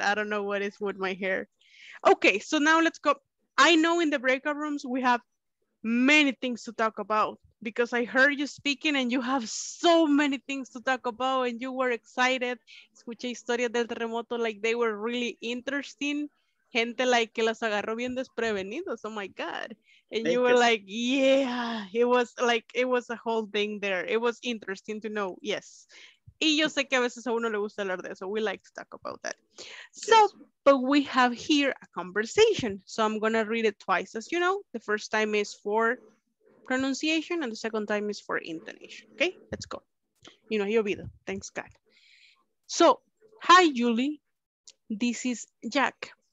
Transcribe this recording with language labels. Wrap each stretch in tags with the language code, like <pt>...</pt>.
<en>I don't know what is with my hair. Okay, so now let's go. I know in the breakout rooms we have many things to talk about. Because I heard you speaking and you have so many things to talk about and you were excited.</en> <es>Escuché historias del terremoto,</es> <en>like they were really interesting.</en> <es>Gente like que las agarró bien desprevenidos,</es> <en>oh my God. And you were like, yeah, it was like, it was a whole thing there. It was interesting to know, yes.</en> <es>Y yo sé que a veces a uno le gusta hablar de eso.</es> <en>We like to talk about that. So, but we have here a conversation. So I'm gonna read it twice, as you know. The first time is for pronunciation and the second time is for intonation. Okay, let's go. You know, yo vida. Thanks, God. So, hi, Julie. This is Jack.</en>